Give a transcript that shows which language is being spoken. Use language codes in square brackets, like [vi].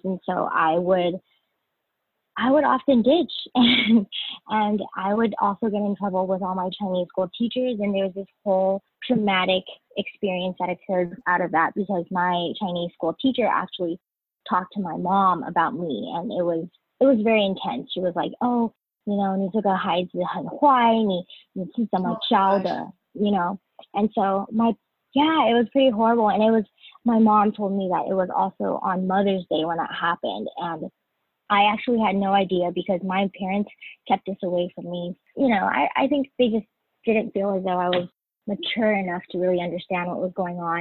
[en] And so I would often ditch. And I would also get in trouble with all my Chinese school teachers. And there was this whole traumatic experience that occurred out of that, because my Chinese school teacher actually talked to my mom about me. And it was very intense. She was like, oh, you know, [zh] 你这个孩子很坏, 你是怎么教的, you know. [en] And so my, yeah, it was pretty horrible. And it was, my mom told me that it was also on Mother's Day when that happened. And I actually had no idea because my parents kept this away from me. You know, I think they just didn't feel as though I was mature enough to really understand what was going on.